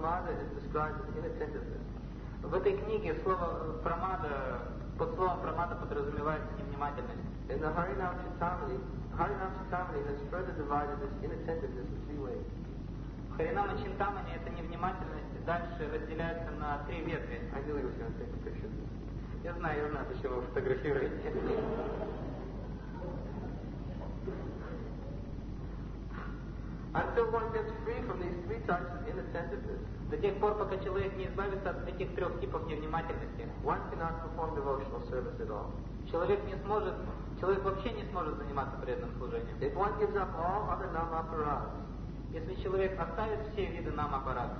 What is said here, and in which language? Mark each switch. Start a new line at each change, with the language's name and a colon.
Russian: В этой книге слово «прамада», под словом «прамада» подразумевается невнимательность.
English: In the Harinam Chitamani, Harinam Chitamani has further divided this inattentiveness in three ways.
Russian: Харинам Чинтамани — это невнимательность, дальше разделяется на три ветви.
English: I knew he was going to take a picture.
Russian: Я знаю, почему вы фотографируете.
English: Until one gets free from these three types of inattentiveness,
Russian: до тех пор, пока человек не избавится от этих трех типов невнимательности,
English: one cannot perform devotional service at all.
Russian: Человек вообще не сможет заниматься преданным служением.
English: If one gives up all other nama-aparas,
Russian: если человек оставит все виды нама-апарат,